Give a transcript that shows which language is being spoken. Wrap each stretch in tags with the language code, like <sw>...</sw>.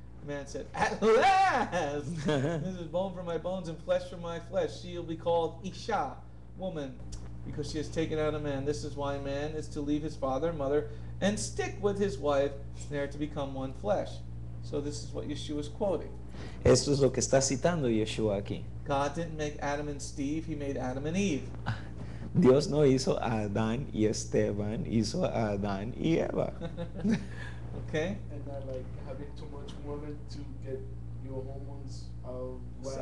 <en>Man said, "At last, this is bone from my bones and flesh from my flesh. She will be called Isha, woman, because she has taken out a man. This is why man is to leave his father and mother and stick with his wife, and they are to become one flesh." So this is what Yeshua is quoting.</en> <es>Esto es lo que está citando Yeshua aquí.</es> <en>God didn't make Adam and Steve; he made Adam and Eve.</en> <es>Dios no hizo a Adán y Esteban; hizo a Adán y Eva.</es> <en>Okay. And not like having too much woman to get your hormones out.</en>